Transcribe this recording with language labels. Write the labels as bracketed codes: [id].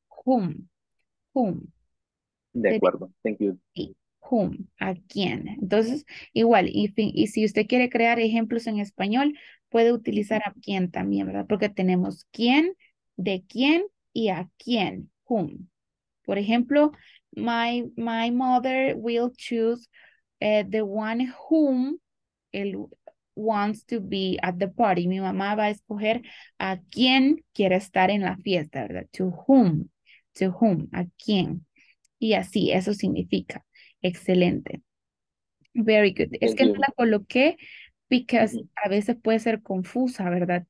[en] Whom. Whom. [es] De acuerdo. [en] Thank you. [es] Whom, a quién. Entonces, igual, y si usted quiere crear ejemplos en español, puede utilizar a quién también, ¿verdad? Porque tenemos quién, de quién y a quién, whom. [en] Por ejemplo, my mother will choose the one whom wants to be at the party. [es] Mi mamá va a escoger a quién quiere estar en la fiesta, ¿verdad? [en] To whom, [es] a quién. Y así, eso significa. Excelente. [en] Very good. [es] Es que no la coloqué because a veces puede ser confusa, ¿verdad?